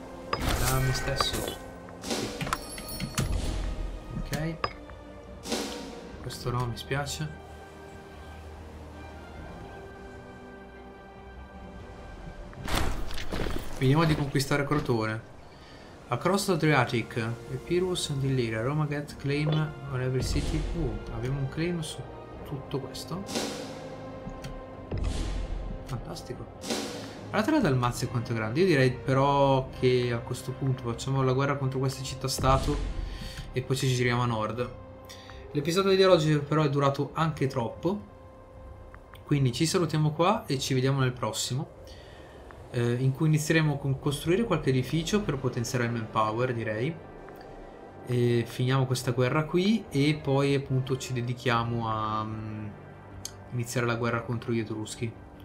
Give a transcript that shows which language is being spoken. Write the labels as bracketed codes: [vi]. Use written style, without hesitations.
[it] Da me stesso. Questo no, mi spiace. Vediamo di conquistare Crotone. [en] Across the Adriatic, Epirus and Illyria, Roma get claim on every city. [it] Abbiamo un claim su tutto questo. Fantastico. Guardate la Dalmazia quanto è grande. Io direi però che a questo punto facciamo la guerra contro queste città-stato e poi ci giriamo a nord. L'episodio di oggi però è durato anche troppo, quindi ci salutiamo qua e ci vediamo nel prossimo, in cui inizieremo con costruire qualche edificio per potenziare il manpower, direi, e finiamo questa guerra qui e poi appunto ci dedichiamo a iniziare la guerra contro gli Etruschi.